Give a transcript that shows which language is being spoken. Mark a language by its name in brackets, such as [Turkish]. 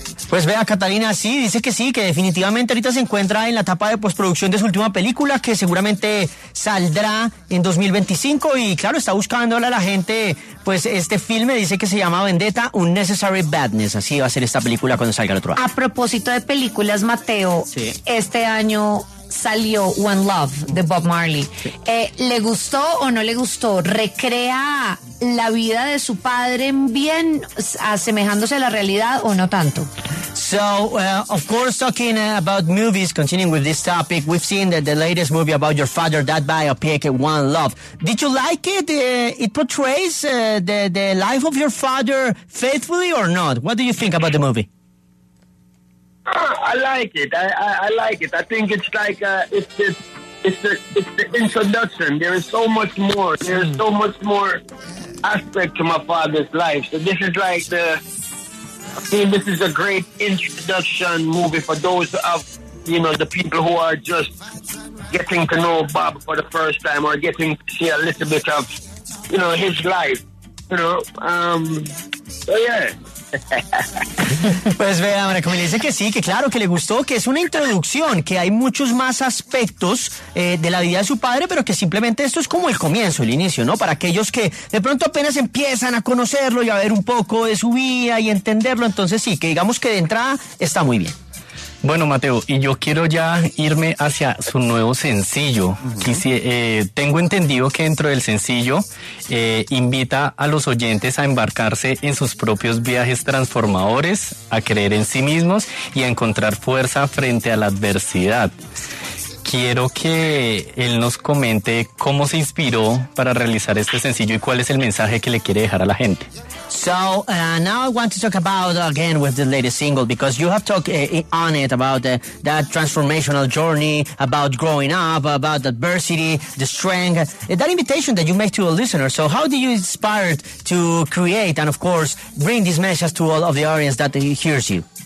[Spanish] Pues vea, Catalina, sí, dice que sí, que definitivamente ahorita se encuentra en la etapa de postproducción de su última película, que seguramente saldrá en 2025, y claro, está buscando a la gente, pues este filme, dice que se llama Vendetta, Un Necessary Badness, así va a ser esta película cuando salga el otro año. A propósito de películas, Mateo, sí. Este año salió One Love, de Bob Marley. Sí. ¿Le gustó o no le gustó? ¿Recrea la vida de su padre bien, asemejándose a la realidad o no tanto? [English] So, of course, talking about movies, continuing with this topic, we've seen that the latest movie about your father, that biopic, One Love. Did you like it? It portrays the life of your father faithfully or not? What do you think about the movie? I like it. I like it. I think it's like it's the introduction. There is so much more. There is so much more aspect to my father's life. So this is like the. I mean, this is a great introduction movie for those of the people who are just getting to know Bob for the first time or getting to see a little bit of his life. So yeah. [Spanish] Pues vea, María Camila dice que sí, que claro, que le gustó, que es una introducción, que hay muchos más aspectos de la vida de su padre, pero que simplemente esto es como el comienzo, el inicio, ¿no? Para aquellos que de pronto apenas empiezan a conocerlo y a ver un poco de su vida y entenderlo, entonces sí, que digamos que de entrada está muy bien. Bueno, Mateo, y yo quiero ya irme hacia su nuevo sencillo. Tengo entendido que dentro del sencillo invita a los oyentes a embarcarse en sus propios viajes transformadores, a creer en sí mismos y a encontrar fuerza frente a la adversidad. Quiero que él nos comente cómo se inspiró para realizar este sencillo y cuál es el mensaje que le quiere dejar a la gente. [English] So now I want to talk about again with the latest single, because you have talked on it about that transformational journey, about growing up, about adversity, the strength, that invitation that you make to a listener. So how do you inspire to create and, of course, bring this message to all of the audience that hears you?